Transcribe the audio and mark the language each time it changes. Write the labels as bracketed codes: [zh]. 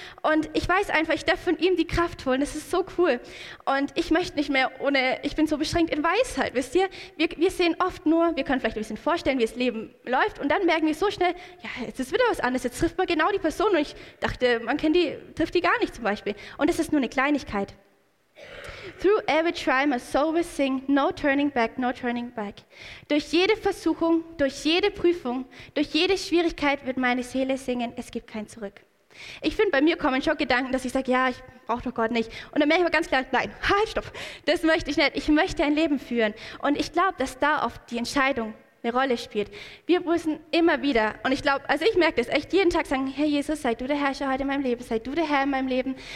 [de] Und ich weiß einfach, ich darf von ihm die Kraft holen, das ist so cool. Und ich möchte nicht mehr ohne, ich bin so beschränkt in Weisheit, wisst ihr? Wir sehen oft nur, wir können vielleicht ein bisschen vorstellen, wie das Leben läuft und dann merken wir so schnell, ja, jetzt ist wieder was anderes, jetzt trifft man genau die Person und ich dachte, man kennt die, trifft die gar nicht zum Beispiel. Und das ist nur eine Kleinigkeit. [en] Through every trial, my soul will sing, no turning back, no turning back. [de] Durch jede Versuchung, durch jede Prüfung, durch jede Schwierigkeit wird meine Seele singen, es gibt kein Zurück. Ich finde, bei mir kommen schon Gedanken, dass ich sage, ja, ich brauche doch Gott nicht. Und dann merke ich mir ganz klar, nein, halt, stopp, das möchte ich nicht. Ich möchte ein Leben führen. Und ich glaube, dass da oft die Entscheidung eine Rolle spielt. Wir müssen immer wieder, und ich glaube, also ich merke das echt jeden Tag, sagen, Herr Jesus, sei du der Herrscher heute in meinem Leben, sei du der Herr in meinem Leben.